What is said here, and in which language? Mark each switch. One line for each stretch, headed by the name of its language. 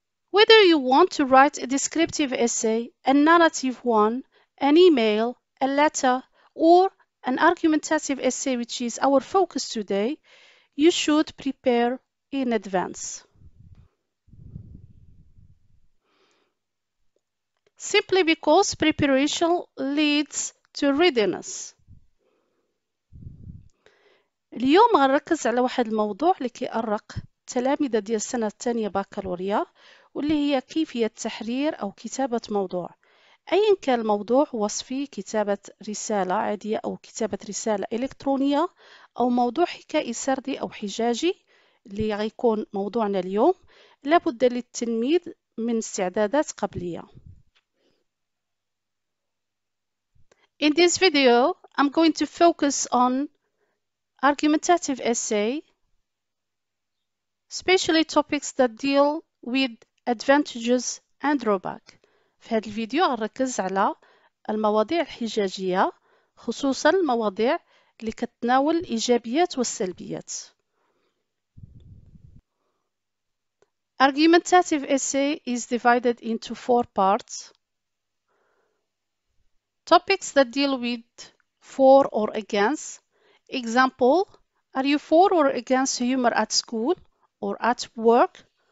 English: Whether you want to write a descriptive essay, a narrative one, an email, a letter, or an argumentative essay, which is our focus today, you should prepare in advance. Simply because preparation leads to readiness.
Arabic: اليوم غنركز على واحد الموضوع اللي كيأرق التلاميذ ديال السنة الثانية باكالوريا واللي هي كيفية تحرير أو كتابة موضوع. أيا كان الموضوع، وصفي كتابة رسالة عادية أو كتابة رسالة إلكترونية أو موضوع حكائي سردي أو حجاجي اللي غيكون موضوعنا اليوم، لابد للتلميذ من استعدادات قبلية.
English: In this video, I'm going to focus on argumentative essay, especially topics that deal with advantages and drawback.
Arabic: في هذا الفيديو غنركز على المواضيع الحجاجية، خصوصا المواضيع اللي كتناول الإيجابيات والسلبيات.
English: Argumentative essay is divided into four parts. Topics that deal with for or against. Example, are you for or against humor at school or at work?